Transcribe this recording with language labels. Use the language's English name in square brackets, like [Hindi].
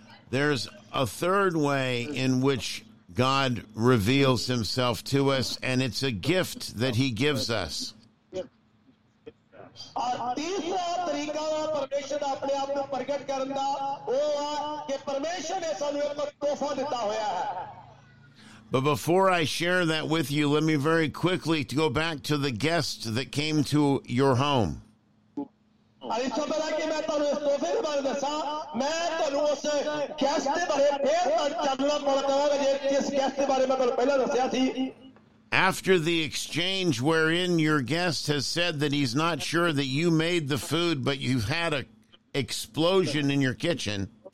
[English] There's a third way in which God reveals himself to us, and it's a gift that he gives us. [Punjabi] ਔਰ ਤੀਸਰਾ ਤਰੀਕਾ ਵਾ ਪਰਮੇਸ਼ਰ ਦਾ ਆਪਣੇ ਆਪ ਨੂੰ ਪ੍ਰਗਟ ਕਰਨ ਦਾ, ਉਹ ਆ ਕਿ ਪਰਮੇਸ਼ਰ ਨੇ ਸਾਨੂੰ ਇੱਕ ਤੋਹਫਾ ਦਿੱਤਾ ਹੋਇਆ ਹੈ. [English] But before I share that with you, let me very quickly to go back to the guest that came to your home. [Punjabi] ਅਰੇ ਸੋਬਰਾ ਕਿ ਮੈਂ ਤੁਹਾਨੂੰ ਇਸ ਤੋਹਫੇ ਦੇ ਬਾਰੇ ਦੱਸਾਂ, ਮੈਂ ਤੁਹਾਨੂੰ ਉਸ ਗੈਸਟ ਦੇ ਬਾਰੇ ਫੇਰ ਚੱਲਣਾ ਪੜਦਾ ਵਾ ਜੇ ਜਿਸ ਗੈਸਟ ਦੇ ਬਾਰੇ ਮੈਂ ਤੁਹਾਨੂੰ ਪਹਿਲਾਂ ਦੱਸਿਆ ਸੀ. [English] After the exchange wherein your guest has said that he's not sure that you made the food, but you've had an explosion in your kitchen.